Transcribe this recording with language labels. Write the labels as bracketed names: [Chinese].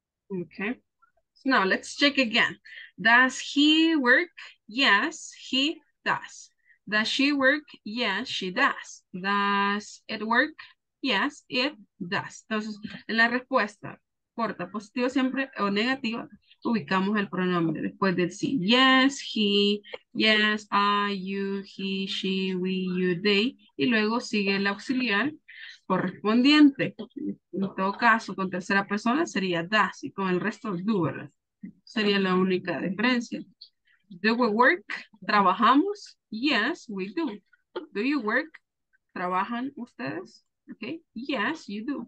[English] Okay. So now let's check again. Does he work? Yes, he does. Does she work? Yes, she does. Does it work? Yes, it does. [Spanish] Entonces, en la respuesta corta, positiva siempre o negativa, ubicamos el pronombre después del sí. [English] Yes, he, yes, I, you, he, she, we, you, they. [Spanish] Y luego sigue el auxiliar correspondiente. En todo caso, con tercera persona sería does y con el resto do, ¿verdad? Sería la única diferencia. [English] Do we work? [Spanish] ¿Trabajamos? [English] Yes, we do. Do you work? [Spanish] ¿Trabajan ustedes? [English] Okay. Yes, you do.